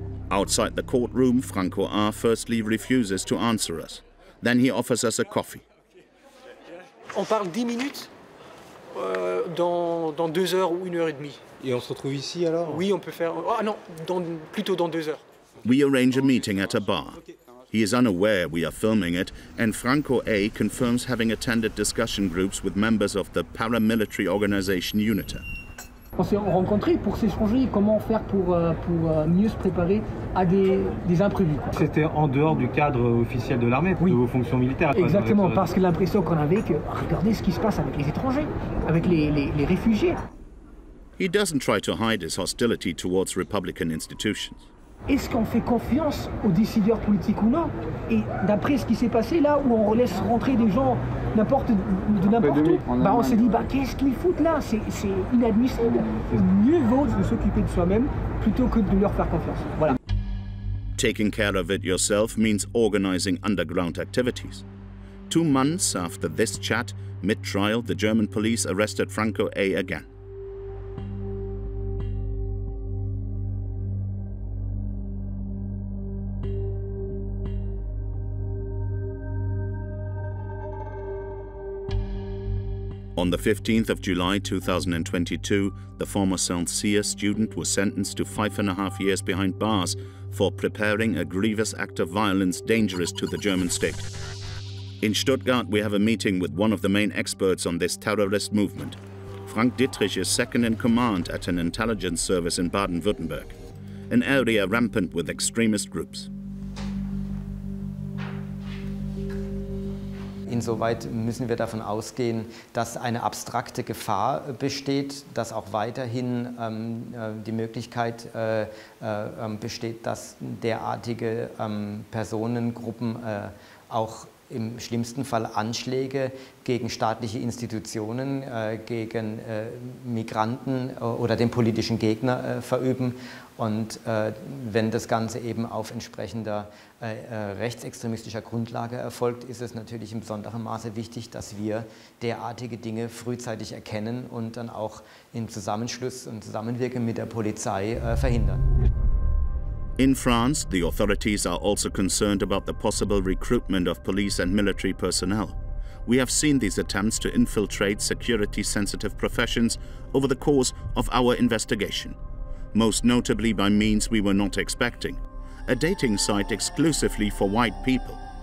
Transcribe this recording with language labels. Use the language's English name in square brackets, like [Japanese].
[English] Outside the courtroom, Franco A firstly refuses to answer us. Then he offers us a coffee. [French] On parle 10 minutes dans 2 heures ou 1 heure et demie. Et on se retrouve ici alors? Oui, on peut faire. Ah non, plutôt dans 2 heures. [English] We arrange a meeting at a bar. He is unaware we are filming it, and Franco A confirms having attended discussion groups with members of the paramilitary organization UNITA. [French] On s'est rencontrés pour s'échanger comment faire pour mieux se préparer à des imprévus. C'était en dehors du cadre officiel de l'armée, oui. De vos fonctions militaires. Exactement, parce que l'impression qu'on avait que regardez ce qui se passe avec les étrangers, avec les réfugiés. [English] He doesn't try to hide his hostility towards Republican institutions. [French] Est-ce qu'on fait confiance aux décideurs politiques ou non? Et d'après ce qui s'est passé là, où on laisse rentrer des gens de n'importe où, on s'est dit, qu'est-ce qu'ils foutent là? C'est inadmissible. Mieux vaut de s'occuper de soi-même plutôt que de leur faire confiance. Voilà. [English] Taking care of it yourself means organizing underground activities. 2 months after this chat, mid-trial, the German police arrested Franco A again. On the 15th of July 2022, the former Saint-Cyr student was sentenced to 5.5 years behind bars for preparing a grievous act of violence dangerous to the German state. In Stuttgart, we have a meeting with one of the main experts on this terrorist movement. Frank Dietrich is second in command at an intelligence service in Baden-Württemberg, an area rampant with extremist groups. [German] Insoweit müssen wir davon ausgehen, dass eine abstrakte Gefahr besteht, dass auch weiterhin die Möglichkeit besteht, dass derartige Personengruppen auch im schlimmsten Fall Anschläge gegen staatliche Institutionen, gegen Migranten oder den politischen Gegner verüben. Und wenn das Ganze eben auf entsprechender rechtsextremistischer Grundlage erfolgt, ist es natürlich in besonderem Maße wichtig, dass wir derartige Dinge frühzeitig erkennen und dann auch im Zusammenschluss und Zusammenwirken mit der Polizei verhindern. [English] In France, the authorities are also concerned about the possible recruitment of police and military personnel. We have seen these attempts to infiltrate security-sensitive professions over the course of our investigation. Most notably by means we were not expecting. A dating site exclusively for white people.